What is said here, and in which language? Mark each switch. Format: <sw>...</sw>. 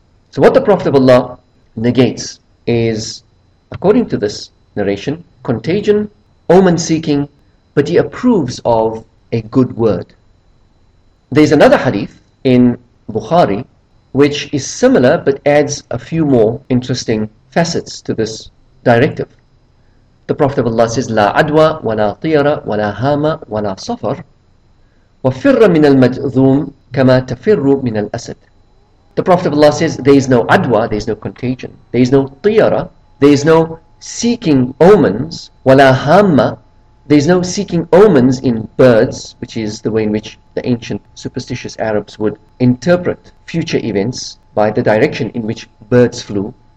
<en>So what the Prophet of Allah negates is, according to this narration, contagion, omen-seeking, but he approves of a good word. There's another hadith in Bukhari which is similar but adds a few more interesting facets to this directive. The Prophet of Allah says,</en> <ar>لَا عَدْوَى وَلَا طِيَرَ وَلَا هَامَ وَلَا صَفَرْ وَفِرَّ مِنَ الْمَجْذُومِ كَمَا تَفِرُّ مِنَ الْأَسَدِ.</ar> <en>The Prophet of Allah says, there is no adwa, there is no contagion, there is no طِيَرَ, there is no seeking omens,</en> <ar>وَلَا هَامَ,</ar> <en>there is no seeking omens in birds, which is the way in which the ancient superstitious Arabs would interpret future events by the direction in which birds flew.</en>